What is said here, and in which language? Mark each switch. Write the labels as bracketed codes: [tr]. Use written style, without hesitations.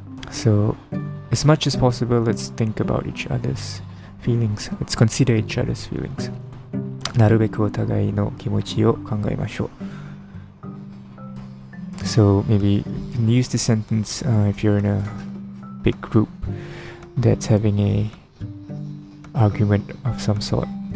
[en] So, as much as possible, let's think about each other's feelings. Let's consider each other's feelings. [ja] なるべくお互いの気持ちを考えましょう. [en] So maybe you can use this sentence if you're in a big group that's having a argument of some sort.